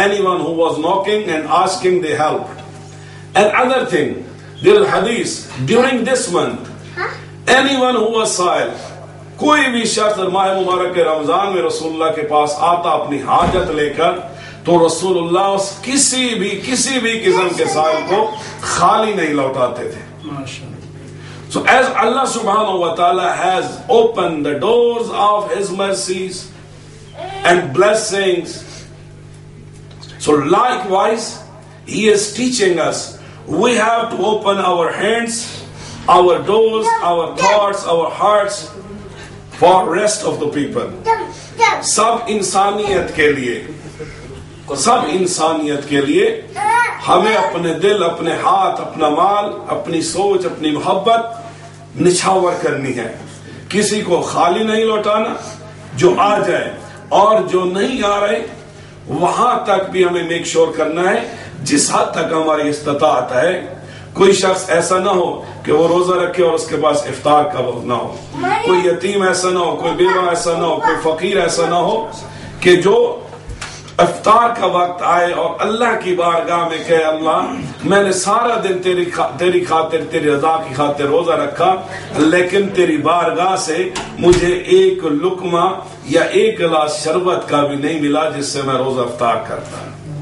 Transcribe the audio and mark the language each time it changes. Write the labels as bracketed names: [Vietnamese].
[English] Anyone who was knocking and asking they help. And other thing, there हदीस during this month, anyone who was साइल, [Hindi] कोई भी शख्स माह मुबारक के रमजान में रसूलुल्लाह के पास आता अपनी हाजत लेकर, तो रसूलुल्लाह किसी भी किस्म के साइल को खाली नहीं लौटाते थे. [English] So as Allah subhanahu wa ta'ala has opened the doors of His mercies and blessings, so likewise He is teaching us, we have to open our hands, our doors, our thoughts, our hearts for rest of the people. [Hindi] Sab insaniyat ke liye, sab insaniyat ke liye, hame apne dil, apne haath, apna maal, apni soch, apni mohabbat निछावर करनी है. किसी को खाली नहीं लौटाना, जो आ जाए और जो नहीं आ रहे वहां तक भी हमें मेक श्योर करना है जिस हद तक हमारी इस्तेआत है. कोई शख्स ऐसा ना हो कि वो रोजा रखे और उसके पास इफ्तार का वक्त ना हो, कोई यतीम ऐसा ना हो, कोई बेवा ऐसा ना हो, कोई फकीर ऐसा ना हो कि जो इफ्तार का वक्त आए और अल्लाह की बारगाह में कहे, अल्लाह मैंने सारा दिन तेरी खातिर, तेरी रजा की खातिर रोजा रखा, लेकिन तेरी बारगाह से मुझे एक लुकमा या एक गिलास शरबत का भी नहीं मिला जिससे मैं रोजा इफ्तार करता.